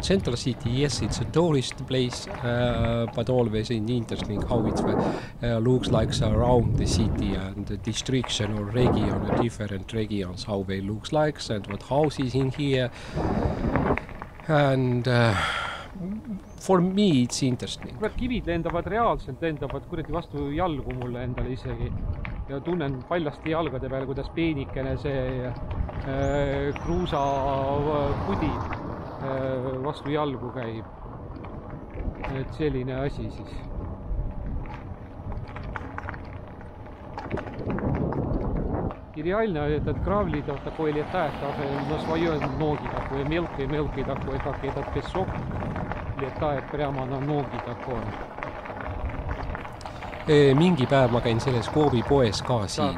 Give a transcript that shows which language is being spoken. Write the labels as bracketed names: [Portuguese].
[English] Central city, yes, it's a tourist place, but always interesting how it looks like around the city and the districts or region, different regions, how they looks like and what houses in here. And for me it's interesting. [Estonian] Kivid lendavad reaalselt, lendavad kuidagi vastu jalgu mulle endale isegi. Ja tunnen paljasti jalgade peale, kuidas peenikene see kruusa pudi vastu jalgu käib. Et selline asi siis. [Russian] И реально этот гравли такой летает, даже на свои ноги такой, мелкий такой, как этот песок летает прямо на ноги такой. [Estonian] Mingi päev ma käin selles Koobi poes ka siin.